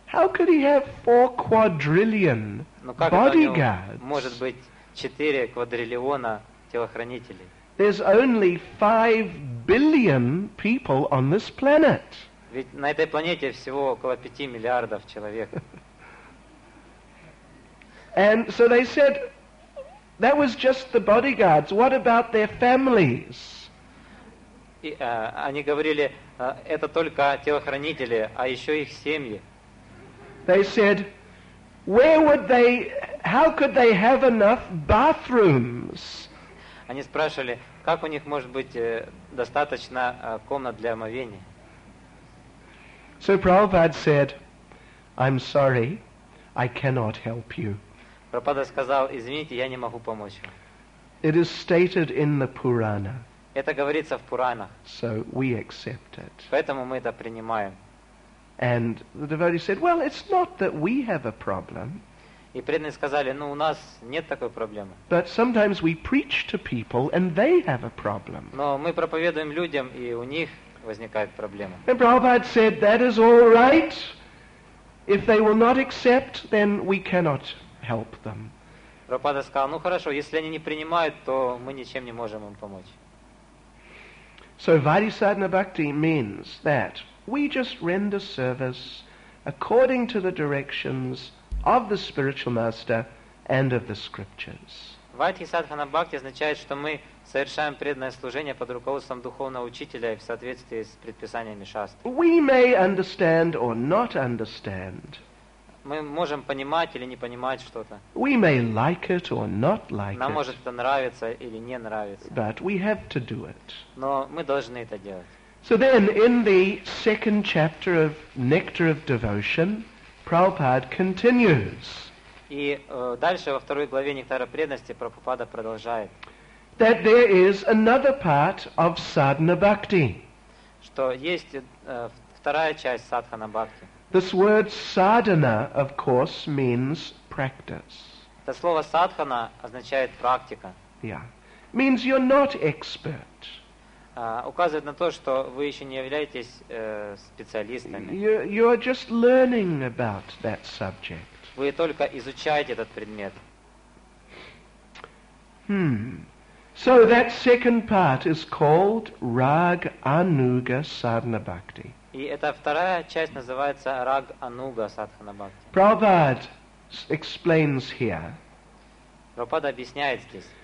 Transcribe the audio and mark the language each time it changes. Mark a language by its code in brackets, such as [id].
[en] How could he have 4 quadrillion bodyguards? [ru] Может быть, 4 [en] quadrillion [ru] телохранителей? [en] There's only 5 billion people on this planet. [ru] Ведь на этой планете всего около 5 миллиардов человек. [en] And so they said, that was just the bodyguards. What about their families? [ru] И они говорили, это только телохранители, а еще их семьи. [en] They said, how could they have enough bathrooms? [ru] Они спрашивали, как у них может быть достаточно комнат для омовения? [en] So Prabhupada said, I'm sorry, I cannot help you. [ru] Прабхупада сказал, извините, я не могу помочь вам. [en] It is stated in the Purana. [ru] Это говорится в Пуранах. [en] So we accept it. [ru] Поэтому мы это принимаем. [en] And the devotee said, well, it's not that we have a problem. [ru] И преданные сказали, ну, у нас нет такой проблемы. [en] But sometimes we preach to people and they have a problem. [ru] Но мы проповедуем людям, и у них возникает проблема. [en] And Prabhupada said, that is all right. If they will not accept, then we cannot help them. [ru] Прабхупада сказал, ну хорошо, если они не принимают, то мы ничем не можем им помочь. [en] So Vaidhi Sadhana Bhakti means that we just render service according to the directions of the spiritual master and of the scriptures. [ru] Vaidhi Sadhana Bhakti означает, что мы совершаем преданное служение под руководством духовного учителя и в соответствии с предписаниями шаст. [en] We may understand or not understand. [ru] Мы можем понимать или не понимать что-то. [en] We may like it or not like it. [ru] Нам может это нравиться или не нравиться. [en] But we have to do it. [ru] Но мы должны это делать. [en] So then, in the second chapter of Nectar of Devotion, Prabhupada continues. [ru] И дальше во второй главе Нектара преданности Прабхупада продолжает. [en] that there is another part of sadhana bhakti. [ru] Что есть вторая часть садхана бхакти. [en] This word sadhana, of course, means practice. [ru] Это слово садхана означает практика. [en] Yeah. Means you're not expert. [ru] Указывает на то, что вы еще не являетесь специалистами. [en] You're just learning about that subject. [ru] Вы только изучаете этот предмет. [en] So that second part is called Rag Anuga Sadhana Bhakti. [ru] И эта вторая часть называется Rag Anuga Sadhana Bhakti. [en] Prabhupada explains here. [ru] Prabhupada объясняет здесь.